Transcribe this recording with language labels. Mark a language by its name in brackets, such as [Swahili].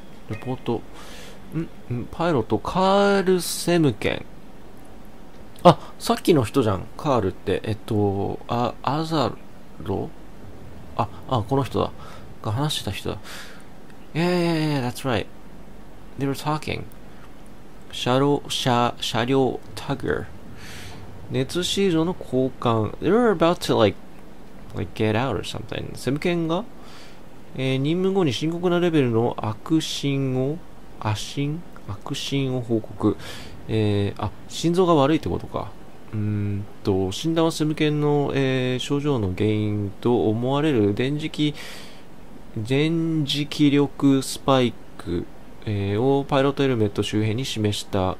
[Japanese] レポート、パイロットカールセムケン、あ、さっきの人じゃん、カールって、アザロ、あ、この人だ、が話してた人だ。 [English] Yeah, that's right, they were talking. [Japanese] 車両タグ、熱シールの交換。 [English] They were about to like get out or something. [Japanese] セムケンが任務後に深刻なレベルの悪心を報告。あ、心臓が悪いってことか。診断はセムケンの、症状の原因と思われる電磁気力スパイク、をパイロットヘルメット周辺に示した。